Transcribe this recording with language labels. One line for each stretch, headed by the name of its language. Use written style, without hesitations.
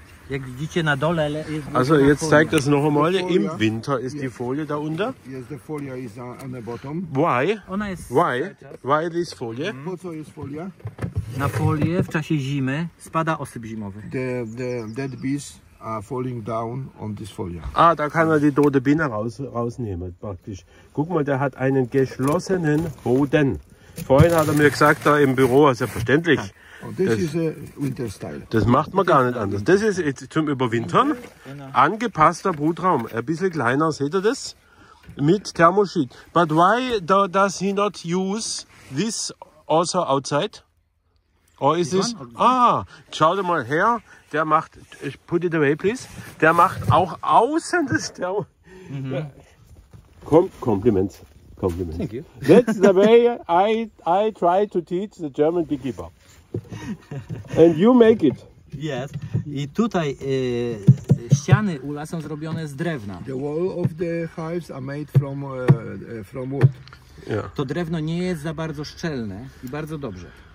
Polish: Jak widzicie na dole jest.
German: Also jetzt zeigt das noch einmal. Im Winter ist die Folie da unter.
English: Yes, the folia is on the bottom. Why?
Polish: Ona jest.
English: Why? Why this folie?
Polish: Po co jest folia? Na folię w czasie zimy spada osyp zimowy.
English: The dead bees are falling down on this folia.
German: Ah, da kann er die tote Biene rausnehmen praktisch. Guck mal, der hat einen geschlossenen Boden. Vorhin hat er mir gesagt, da im Büro, selbstverständlich. Das ist Winter Style. Das macht man gar nicht anders. Das ist zum Überwintern. Angepasster Brutraum. Ein bisschen kleiner, seht ihr das? Mit Thermoschied.
English: But why does he not use this also outside? Or is this?
German: Ah, schau dir mal her. Der macht,
English: put it away please.
German: Der macht auch außen das Thermoschied. Kompliment. Compliment.
English: Thank you. That's the way I try to teach the German beekeeper. And you make it. Yes.
Polish: I tutaj ściany ula są zrobione z drewna.
English: The wall of the hives are made from wood. Yeah.
Polish: To drewno nie jest za bardzo szczelne i bardzo dobrze.